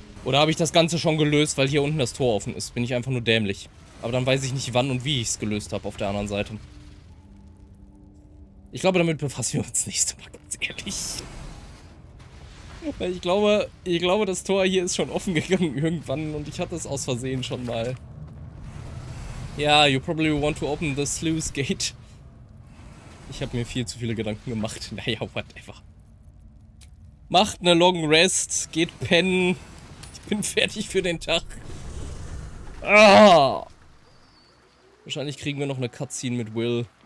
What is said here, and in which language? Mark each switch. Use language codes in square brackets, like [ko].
[de] Oder habe ich das Ganze schon gelöst, weil hier unten das Tor offen ist? Bin ich einfach nur dämlich. Aber dann weiß ich nicht, wann und wie ich es gelöst habe auf der anderen Seite. Ich glaube, damit befassen wir uns nächste Mal, ganz ehrlich. Weil ich glaube, das Tor hier ist schon offen gegangen irgendwann und ich hatte es aus Versehen schon mal. [en] Ja, yeah, you probably want to open the sluice gate. [de] Ich habe mir viel zu viele Gedanken gemacht. Naja, whatever. Macht eine long rest, geht pennen. Ich bin fertig für den Tag. Ah! Wahrscheinlich kriegen wir noch eine Cutscene mit Will.